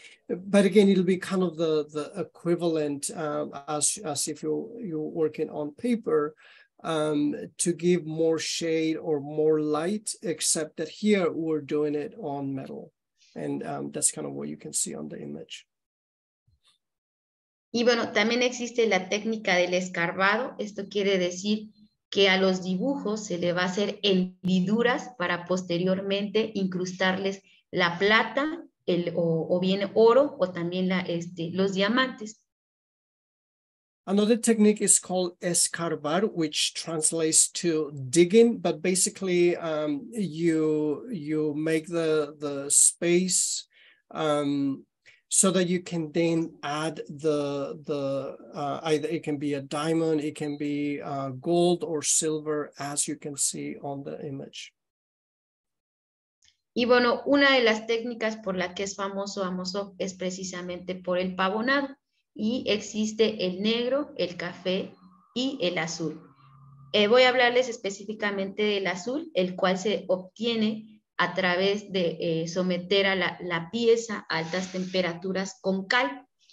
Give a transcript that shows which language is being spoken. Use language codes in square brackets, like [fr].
[en] But again, it'll be kind of the equivalent as if you're working on paper, to give more shade or more light, except that here we're doing it on metal. And that's kind of what you can see on the image. [es] Y bueno, también existe la técnica del escarbado. Esto quiere decir que a los dibujos se le va a hacer hendiduras para posteriormente incrustarles la plata, o bien oro, o también los diamantes. [en] Another technique is called escarbar, which translates to digging, but basically you make the space so that you can then add either it can be a diamond, it can be gold or silver, as you can see on the image. [es] Y bueno, una de las técnicas por la que es famoso Amosov es precisamente por el pavonado. Y existe el negro, el café y el azul. Voy a hablarles específicamente del azul, el cual se obtiene a través de someter a la pieza a altas temperaturas con cal.